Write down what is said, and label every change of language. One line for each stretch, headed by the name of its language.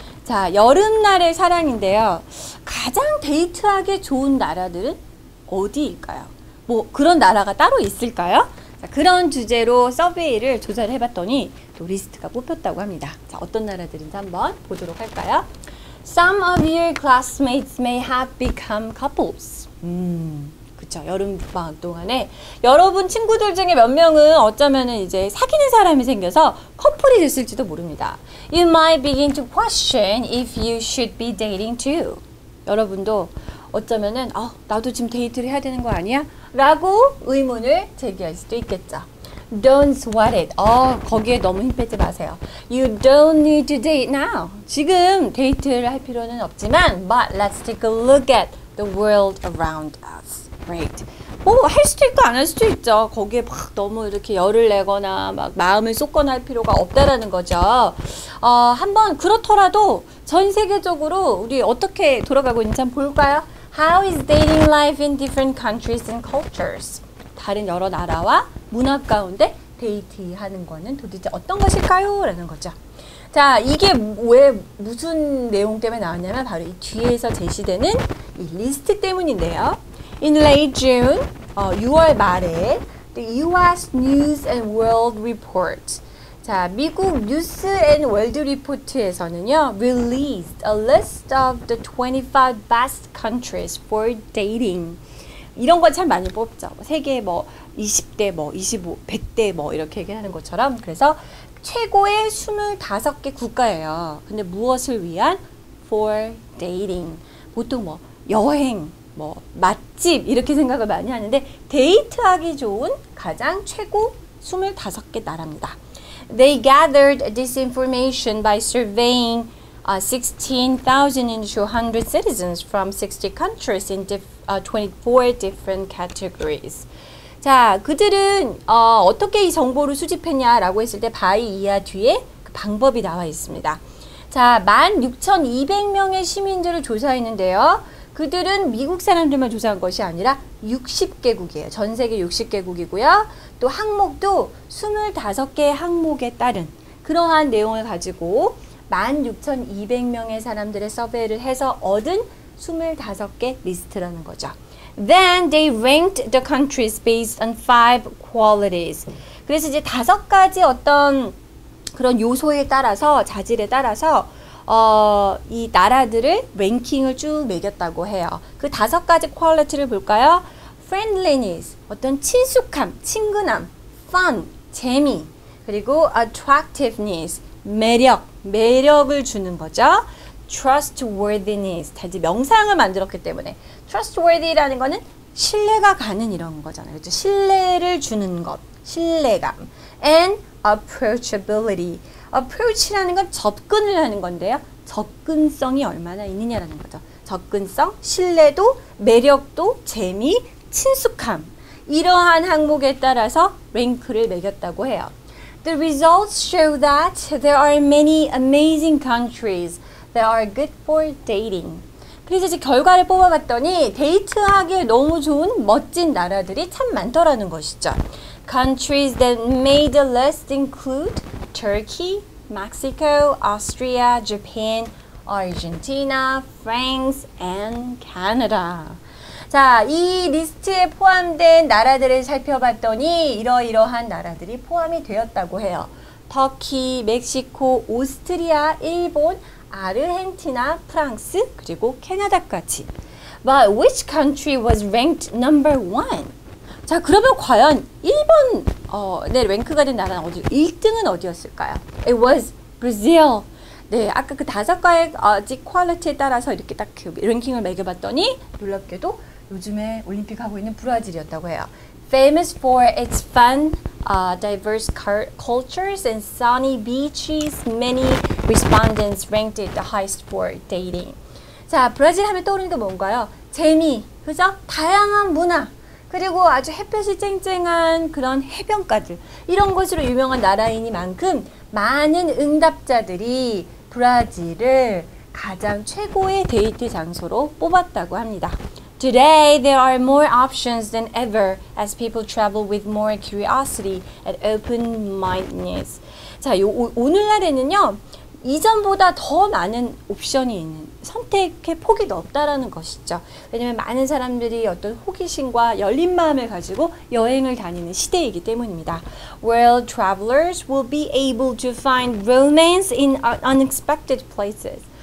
Korean: 자, 여름날의 사랑인데요. 가장 데이트하기 좋은 나라들은 어디일까요? 뭐 그런 나라가 따로 있을까요? 자, 그런 주제로 서베이를 조사를 해봤더니 또 리스트가 뽑혔다고 합니다. 자, 어떤 나라들인지 한번 보도록 할까요?
English: Some of your classmates may have become couples.
Korean: 그쵸. 여름 방학 동안에 여러분 친구들 중에 몇 명은 어쩌면 이제 사귀는 사람이 생겨서 커플이 됐을지도 모릅니다.
English: You might begin to question if you should be dating too.
Korean: 여러분도 어쩌면은 나도 지금 데이트를 해야 되는 거 아니야? 라고 의문을 제기할 수도 있겠죠.
English: Don't sweat it.
Korean: 거기에 너무 힘빼지 마세요.
English: You don't need to date now.
Korean: 지금 데이트를 할 필요는 없지만,
English: but let's take a look at the world around us. Right.
Korean: 뭐할 수도 있고 안할 수도 있죠. 거기에 막 너무 이렇게 열을 내거나 막 마음을 쏟거나 할 필요가 없다라는 거죠. 한번 그렇더라도 전 세계적으로 우리 어떻게 돌아가고 있는지 한번 볼까요?
English: How is dating life in different countries and cultures?
Korean: 다른 여러 나라와 문화 가운데 데이트하는 거는 도대체 어떤 것일까요? 라는 거죠. 자, 이게 왜 무슨 내용 때문에 나왔냐면 바로 이 뒤에서 제시되는 이 리스트 때문인데요.
English: In late June,
Korean: 6월 말에
English: The US News and World Report.
Korean: 자, 미국 뉴스 앤 월드 리포트에서는요,
English: released a list of the 25 best countries for dating.
Korean: 이런 거참 많이 뽑죠. 세계 뭐 20대 뭐 25, 100대 뭐 이렇게 얘기하는 것처럼. 그래서 최고의 25개 국가예요. 근데 무엇을 위한?
English: For dating.
Korean: 보통 뭐 여행, 뭐 맛집 이렇게 생각을 많이 하는데 데이트하기 좋은 가장 최고 25개 나라입니다.
English: They gathered this information by surveying 16,200 citizens from 60 countries in 24 different categories.
Korean: 자, 그들은 어떻게 이 정보를 수집했냐라고 했을 때 바이 이하 뒤에 그 방법이 나와 있습니다. 자, 16,200명의 시민들을 조사했는데요. 그들은 미국 사람들만 조사한 것이 아니라 60개국이에요. 전 세계 60개국이고요. 또 항목도 25개의 항목에 따른 그러한 내용을 가지고 16,200명의 사람들의 서베이를 해서 얻은 25개 리스트라는 거죠.
English: Then they ranked the countries based on five qualities.
Korean: 그래서 이제 5가지 어떤 그런 요소에 따라서, 자질에 따라서 이 나라들을 랭킹을 쭉 매겼다고 해요. 그 5가지 퀄리티를 볼까요? Friendliness, 어떤 친숙함, 친근함, fun, 재미, 그리고 attractiveness, 매력, 매력을 주는 거죠. Trustworthiness, 다 이제 명상을 만들었기 때문에 trustworthy라는 거는 신뢰가 가는 이런 거잖아요. 그렇죠? 신뢰를 주는 것, 신뢰감,
English: and approachability.
Korean: Approach라는 건 접근을 하는 건데요. 접근성이 얼마나 있느냐라는 거죠. 접근성, 신뢰도, 매력도, 재미, 친숙함. 이러한 항목에 따라서 랭크를 매겼다고 해요.
English: The results show that there are many amazing countries that are good for dating.
Korean: 그래서 이제 결과를 뽑아봤더니 데이트하기에 너무 좋은 멋진 나라들이 참 많더라는 것이죠.
English: Countries that made the list include Turkey, Mexico, Austria, Japan, Argentina, France, and Canada.
Korean: 자, 이 리스트에 포함된 나라들을 살펴봤더니 이러이러한 나라들이 포함이 되었다고 해요. 터키, 멕시코, 오스트리아, 일본, 아르헨티나, 프랑스, 그리고 캐나다까지.
English: But which country was ranked number one?
Korean: 자, 그러면 과연 1번 네, 랭크가 된 나라는 어디, 1등은 어디였을까요?
English: It was Brazil.
Korean: 네, 아까 그 5가지 퀄리티에 따라서 이렇게 딱그 랭킹을 매겨봤더니 놀랍게도 요즘에 올림픽 하고 있는 브라질이었다고 해요.
English: Famous for its fun, diverse cultures and sunny beaches, many respondents ranked it the highest for dating.
Korean: 자, 브라질 하면 떠오르는 게 뭔가요? 재미, 그죠? 다양한 문화. 그리고 아주 햇볕이 쨍쨍한 그런 해변가들 이런 곳으로 유명한 나라이니만큼 많은 응답자들이 브라질을 가장 최고의 데이트 장소로 뽑았다고 합니다.
English: Today, there are more options than ever as people travel with more curiosity and open-mindedness.
Korean: 자, 오늘날에는요, 이전보다 더 많은 옵션이 있는 선택의 폭이 넓다라는 것이죠. 왜냐하면 많은 사람들이 어떤 호기심과 열린 마음을 가지고 여행을 다니는 시대이기 때문입니다.
English: World travelers will be able to find romance in unexpected places.